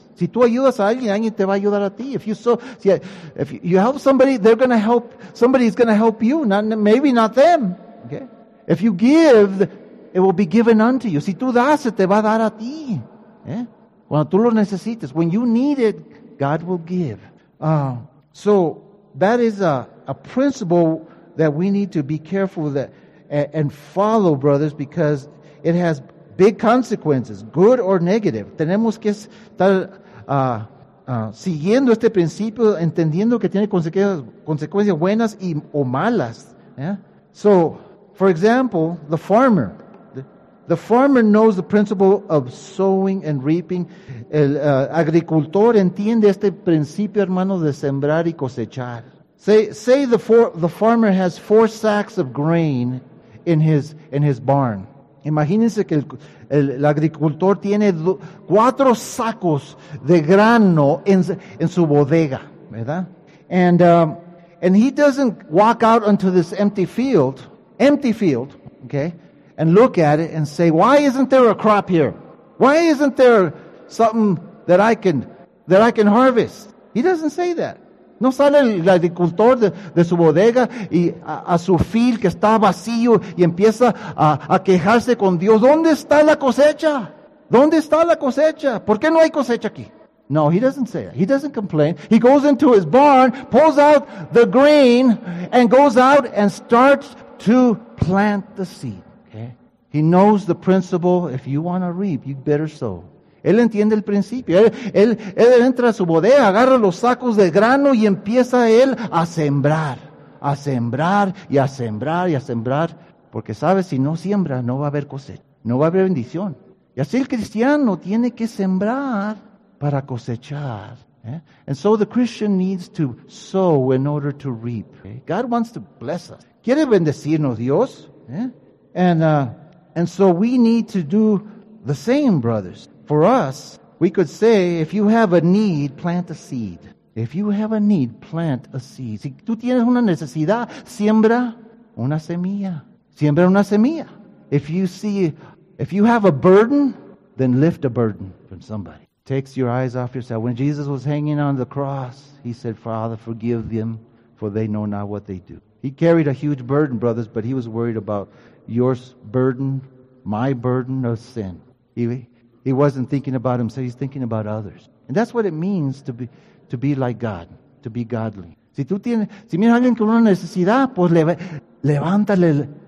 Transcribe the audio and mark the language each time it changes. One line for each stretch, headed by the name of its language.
Spanish: Si tú ayudas a alguien, alguien te va a ayudar a ti.
English: If you help somebody, they're going to help. Somebody's going to help you. Maybe not them. Okay. If you give, it will be given unto you.
Spanish: Si tú das, se te va a dar a ti. ¿Eh? Cuando tú lo necesites.
English: When you need it, God will give. So that is a principle that we need to be careful with and follow, brothers, because it has big consequences, good or negative.
Spanish: Tenemos que estar siguiendo este principio, entendiendo que tiene consecuencias buenas o malas.
English: Yeah? So, for example, the farmer knows the principle of sowing and reaping.
Spanish: El agricultor entiende este principio, hermano, de sembrar y cosechar.
English: Say the farmer has four sacks of grain in his barn.
Spanish: Imagínense que el agricultor tiene cuatro sacos de grano en su bodega, ¿verdad?
English: And he doesn't walk out onto this empty field, okay, and look at it and say, why isn't there a crop here? Why isn't there something that I can harvest? He doesn't say that.
Spanish: No sale el agricultor de su bodega y a su field que está vacío y empieza a quejarse con Dios. ¿Dónde está la cosecha? ¿Dónde está la cosecha? ¿Por qué no hay cosecha aquí?
English: No, he doesn't say that. He doesn't complain. He goes into his barn, pulls out the grain, and goes out and starts to plant the seed. Okay. He knows the principle, if you want to reap, you better sow.
Spanish: Él entiende el principio. Él entra a su bodega, agarra los sacos de grano y empieza él a sembrar. A sembrar y a sembrar y a sembrar. Porque sabe, si no siembra, no va a haber cosecha. No va a haber bendición. Y así el cristiano tiene que sembrar para cosechar. ¿Eh?
English: And so the Christian needs to sow in order to reap. ¿Eh? God wants to bless us.
Spanish: Quiere bendecirnos Dios. ¿Eh?
English: And so we need to do the same, brothers. For us, We could say, if you have a need, plant a seed. If you have a need, plant a seed.
Spanish: Si tú tienes una necesidad, siembra una semilla. Siembra una semilla.
English: If you have a burden, then lift a burden from somebody. Takes your eyes off yourself. When Jesus was hanging on the cross, he said, Father, forgive them, for they know not what they do. He carried a huge burden, brothers, but he was worried about your burden, my burden of sin. He wasn't thinking about himself, he's thinking about others. And that's what it means to be like God, to be godly.
Spanish: Si tú tienes, si miras a alguien con una necesidad, pues levántale.